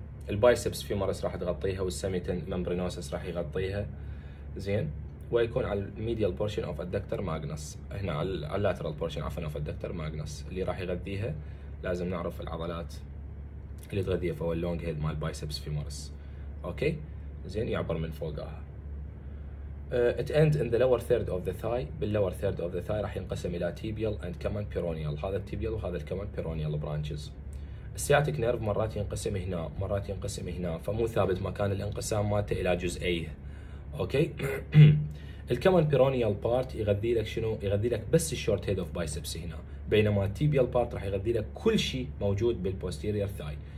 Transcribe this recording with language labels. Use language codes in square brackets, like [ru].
[ar] البايسبس فيمورس راح تغطيها والسميتن ممبرينوسس راح يغطيها، زين، ويكون على الميديال بورشن اوف الدكتور ماجنس، هنا على اللاترال بورشن عفوا اوف الدكتور ماجنس اللي راح يغذيها. لازم نعرف العضلات اللي تغذيها، فهو اللونج هيد مال بايسبس فيمورس، اوكي زين، يعبر من فوقها. [en] It ends in the lower third of the thigh. [ar] باللور ثيرد اوف ذا ثاي راح ينقسم الى تيبيال اند كمان بيرونيال، هذا التيبيال وهذا الكمان بيرونيال برانشز. السياتيك نيرف مرات ينقسم هنا مرات ينقسم هنا، فمو ثابت مكان الانقسام مالته الى جزئيه، اوكي. الكمان بيرونيال بارت يغذي لك شنو؟ يغذي لك بس الشورت هيد اوف بايسبس هنا، بينما التيبيال بارت راح يغذي لك كل شيء موجود بالبوستيرير ثاي.